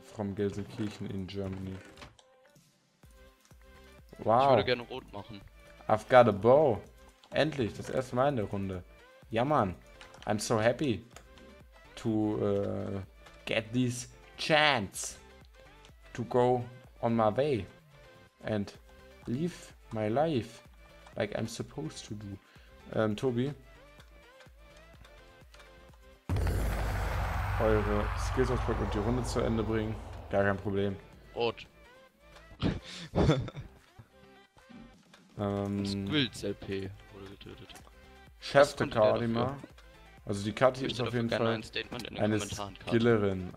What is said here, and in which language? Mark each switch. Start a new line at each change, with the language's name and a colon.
English: From Gelsenkirchen in Germany.
German: Wow. Ich würde gerne rot machen.
English: I've got a bow.
German: Endlich, das erste Mal in der Runde. Ja, man.
English: I'm so happy to get this chance to go on my way and live my life like I'm supposed to do.
German: Tobi. Eure Skills auspacken und die Runde zu Ende bringen. Gar kein Problem. Rot. Squills LP wurde getötet. Chef der Kalima. Also die Kati ist auf jeden Fall eine Skillerin.